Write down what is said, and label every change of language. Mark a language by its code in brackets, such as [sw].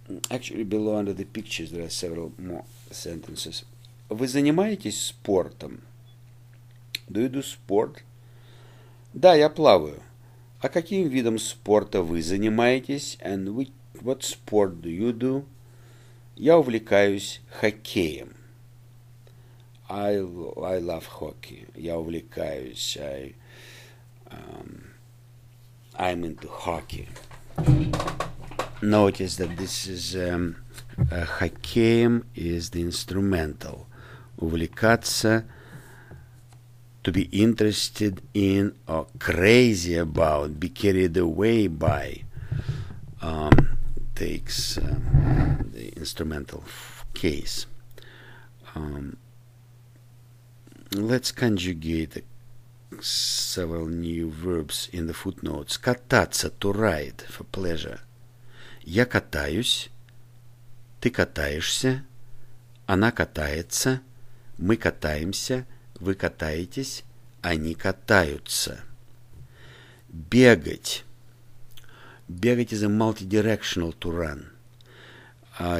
[en] Actually, below under the pictures there are several more sentences. [ru] Вы занимаетесь спортом? [en] Do you do sport? [ru] Да, я плаваю. А каким видом спорта вы занимаетесь? [en] And what sport do you do? [ru] Я увлекаюсь хоккеем. [en] I love hockey. [ru] Я увлекаюсь. [en] I'm into hockey. Notice that this is хоккеем is the instrumental. Увлекаться. To be interested in or crazy about, be carried away by, takes the instrumental case. Let's conjugate several new verbs in the footnotes. Кататься, to ride, for pleasure. [ru] Я катаюсь, ты катаешься, она катается, мы катаемся, вы катаетесь, они катаются. [en] Бегать. Бегать is a multidirectional to run.